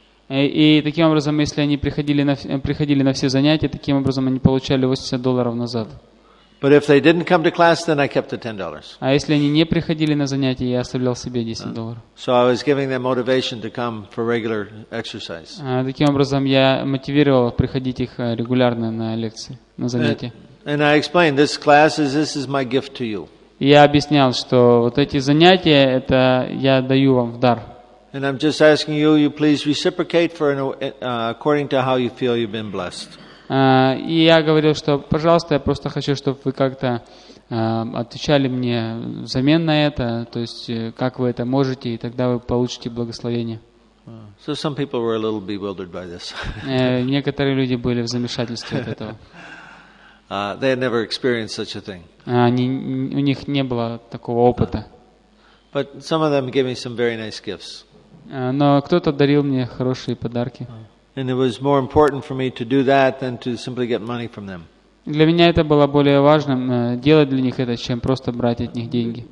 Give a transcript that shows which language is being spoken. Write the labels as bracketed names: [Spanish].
[Russian] И таким образом, если они приходили на все занятия, таким образом они получали $80 назад. [English] But if they didn't come to class, then I kept the $10. [Russian] А если они не приходили на занятия, я оставлял себе $10. [English] So I was giving them motivation to come for regular exercise. [Russian] Таким образом я мотивировал приходить их регулярно на лекции, на занятия. [English] And I explained this is my gift to you. [Russian] Я объяснял, что вот эти занятия, это я даю вам в дар. [English] And I'm just asking you, you please reciprocate for according to how you feel you've been blessed. [Russian] И я говорил, что, пожалуйста, я просто хочу, чтобы вы как-то отвечали мне взамен на это, то есть как вы это можете, и тогда вы получите благословение. [English] So some people were a little bewildered by this. [Russian] Некоторые люди были в замешательстве от этого. [English] They had never experienced such a thing. [Russian] У них не было такого опыта. [English] But some of them gave me some very nice gifts. [Russian] Но кто-то дарил мне хорошие подарки. [English] And it was more important for me to do that than to simply get money from them. [Russian] Для меня это было более важным делать для них это, чем просто брать от них деньги.